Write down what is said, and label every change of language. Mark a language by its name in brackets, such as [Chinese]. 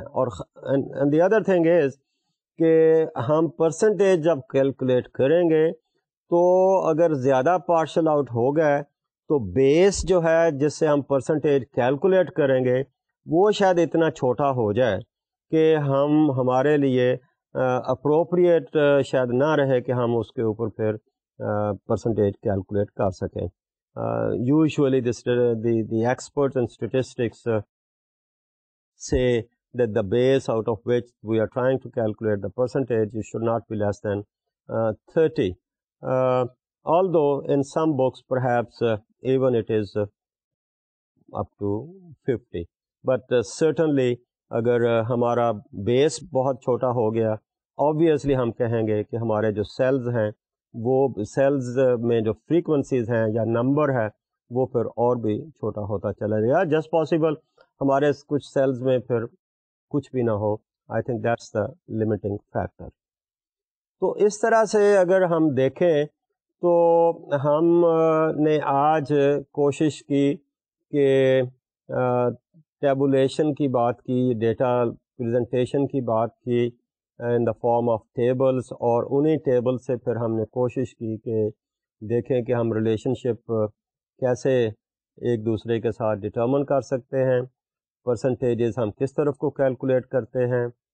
[Urdu] اور the other thing is کہ ہم پرسنٹیج جب کیلکولیٹ کریں گے تو اگر زیادہ پارشل آؤٹ ہو گئے تو بیس جو ہے جس سے ہم پرسنٹیج کیلکولیٹ کریں گے وہ شاید اتنا چھوٹا ہو جائے کہ ہمارے لیے اپروپریٹ شاید نہ رہے کہ ہم اس کے اوپر پھر پرسنٹیج کیلکولیٹ کر سکیں. [English] Usually the experts in statistics سے that the base out of which we are trying to calculate the percentage should not be less than 30. Although in some books پر perhaps even it is up to 50. [Urdu] But certainly اگر ہمارا بیس بہت چھوٹا ہو گیا obviously ہم کہیں گے کہ ہمارے جو سیلز ہیں وہ سیلز میں جو فریکوینسیز ہیں یا نمبر ہے وہ پھر اور بھی چھوٹا ہوتا چلا جائے گا. [English] just possible [Urdu] ہمارے کچھ سیلز میں پھر کچھ بھی نہ ہو. [English] I think that's the limiting factor. [Urdu] تو اس طرح سے اگر ہم دیکھیں تو ہم نے آج کوشش کی کہ ٹیبولیشن کی بات کی, ڈیٹا پریزنٹیشن کی بات کی [English] in the form of tables, [Urdu] اور انہیں ٹیبل سے پھر ہم نے کوشش کی کہ دیکھیں کہ ہم ریلیشن شپ کیسے ایک دوسرے کے ساتھ ڈٹرمن کر سکتے ہیں, پرسنٹیجز ہم کس طرف کو کیلکولیٹ کرتے ہیں.